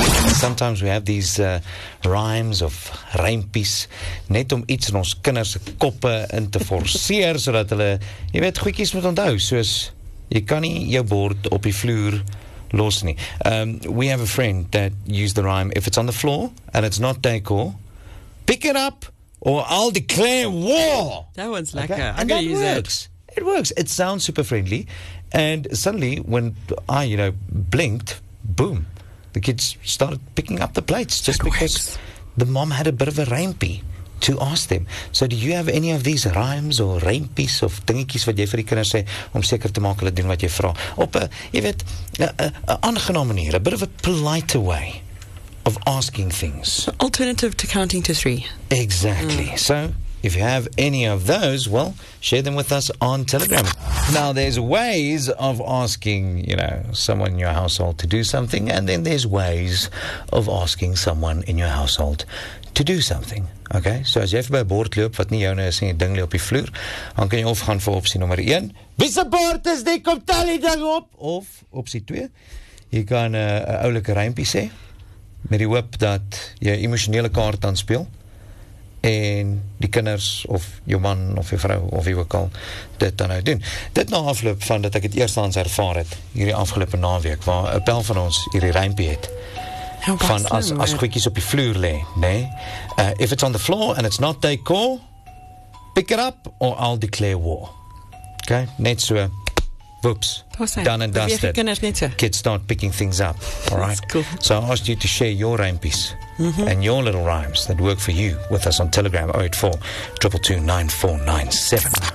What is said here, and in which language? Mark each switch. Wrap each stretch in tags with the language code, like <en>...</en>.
<en>Sometimes we have these rhymes of</en> <af>rympies net om iets in ons kinders se koppe in te forceer sodat hulle, jy weet, goedjies moet onthou, soos jy kan nie jou bord op die vloer los nie.</af> <en>We have a friend that used the rhyme, if it's on the floor and it's not decor, pick it up or I'll declare war. That one's lekker. Okay? And that works. It works. It sounds super friendly. And suddenly, when I, you know, blinked, boom, the kids started picking up the plates just because the mom had a bit of a rampy to ask them. So do you have any of these rhymes or rampies of</en> <af>dingetjies wat jy vir die kinders sê om seker te maak hulle doen wat jy vra? Op a, jy weet, a aangenaam manier,</af> <en>a bit of a politer way of asking things. Alternative to counting to three. Exactly. Mm. So if you have any of those, well, share them with us on Telegram. Now, there's ways of asking, you know, someone in your household to do something, and then there's ways of asking someone in your household to do something. Okay?</en> <af>So as jy vir by 'n bord loop wat nie joune is en 'n ding lê op die vloer, dan kan jy of gaan vir opsie nommer 1. Wie se bord is dit? Kom tel die ding op. Of opsie 2. Jy kan 'n oulike rympie sê met die hoop dat jy emosionele kaart aan speel. En die kinders, of jou man, of jou vrou, of wie ook al, dit dan nou doen. Dit na afloop van dat ek het eerstaans ervaar het, hierdie afgelope naweek, waar een pel van ons hierdie rympie het, van as goedjies op die vloer lê, nee.</af> <en>If it's on the floor and it's not decor, pick it up or I'll declare war. Okay,</en> <af>net so,</af> <en>whoops, done and dusted. Kids start picking things up, all right? That's cool. So I asked you to share your rympies. Mm-hmm. And your little rhymes that work for you with us on Telegram 084-222-9497.</en>